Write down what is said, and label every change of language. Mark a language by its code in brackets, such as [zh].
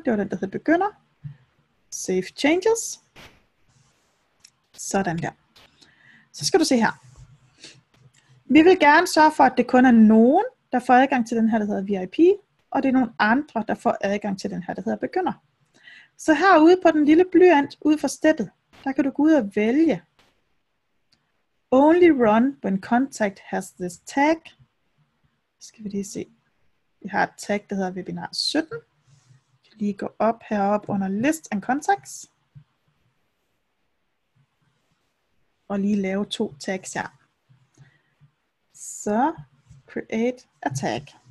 [da] Det var den, der hedder begynder. [en] Save changes. [da] Sådan der. Så skal du se her. Vi vil gerne sørge for, at det kun er nogen, der får adgang til den her, der hedder VIP, og det er nogen andre, der får adgang til den her, der hedder begynder. Så herude på den lille blyant, ud for steppet, der kan du gå ud og vælge. [en] Only run when contact has this tag. [da] Skal vi lige se. Vi har et tag, der hedder webinar 17. Vi kan lige gå op heroppe under [en] list and contacts. [da] Og lige lave to tags her. Så [en] create a tag.